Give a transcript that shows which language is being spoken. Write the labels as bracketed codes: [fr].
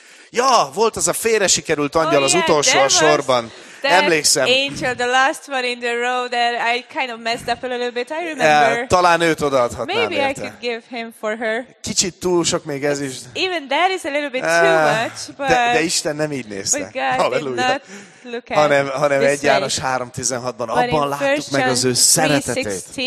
[hu] Ja, volt az a félre sikerült angyal az utolsó a sorban. Emlékszem. [en] Angel, the last one in the row that I kind of messed up a little bit. I remember. [hu] Talán őt odaadhatnám. [en] Maybe [hu] érte. [en] I could give him for her. [hu] Kicsit túl sok még ez is. [en] Even that is a little bit too much, but. [hu] De Isten nem így nézte. Halleluja. Hanem 1 János 3:16-ban abban láttuk meg az ő szeretetét.